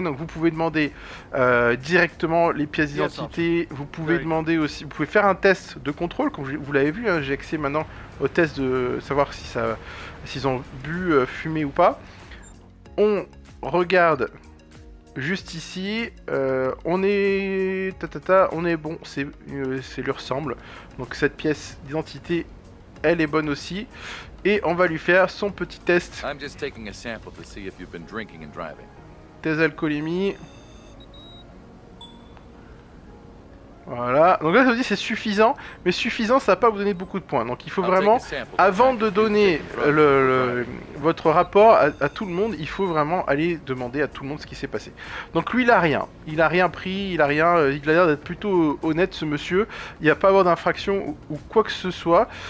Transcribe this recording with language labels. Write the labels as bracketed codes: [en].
[fr] Donc vous pouvez demander directement les pièces d'identité, vous pouvez demander aussi, vous pouvez faire un test de contrôle, comme vous l'avez vu, hein, j'ai accès maintenant au test de savoir si ça, s'ils ont bu, fumé ou pas. On regarde juste ici. On est bon. C'est lui ressemble. Donc cette pièce d'identité, elle est bonne aussi. Et on va lui faire son petit test. [en] I'm just taking a sample to see if you've been drinking and driving. [fr] Test d'alcoolémie. Voilà, donc là ça vous dit c'est suffisant, mais suffisant ça va pas vous donner beaucoup de points. Donc il faut vraiment, avant de donner votre rapport à tout le monde, il faut vraiment aller demander à tout le monde ce qui s'est passé. Donc lui il a rien pris, il a l'air d'être plutôt honnête ce monsieur, il n'y a pas à avoir d'infraction ou quoi que ce soit.